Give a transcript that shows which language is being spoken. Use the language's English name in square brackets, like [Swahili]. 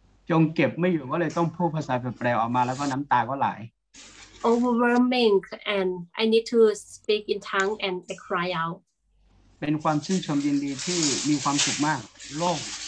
[Thai] จงเก็บไม่อยู่ก็เลยต้องพูดภาษาแปลกๆออกมาแล้วก็น้ำตาก็ไหล [English] Overwhelming, and I need to speak in tongue and I cry out. [Thai] เป็นความชื่นชมยินดีที่มีความสุขมากโล่ง